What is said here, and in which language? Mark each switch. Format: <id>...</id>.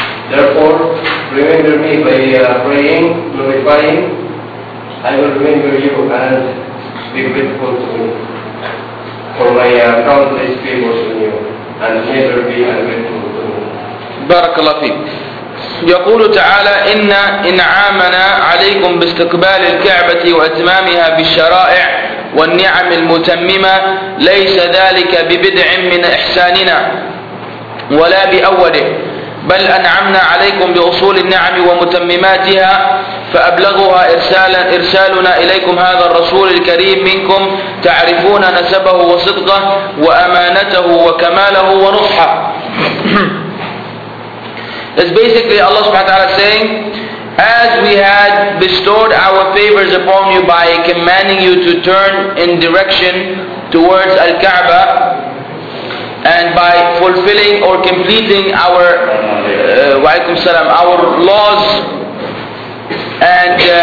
<en>Therefore, remember me by praying, glorifying, I will remember you and be grateful to me for my countless favors on you, and never be ungrateful to me. Barakallah feek.</en> <ar>يقول تعالى إن إنعامنا عليكم باستقبال الكعبة وأتمامها بالشرائع والنعم المتممة ليس ذلك ببدع من إحساننا ولا بأوله، بل أنعمنا عليكم بأصول النعم ومتمماتها فأبلغها إرسالنا إليكم هذا الرسول الكريم منكم تعرفون نسبه وصدقه وأمانته وكماله ونصحه.</ar> <en>It's basically Allah subhanahu wa ta'ala saying, as we had bestowed our favors upon you by commanding you to turn in direction towards Al-Kaaba, and by fulfilling or completing our waalaikum salam, our laws and</en>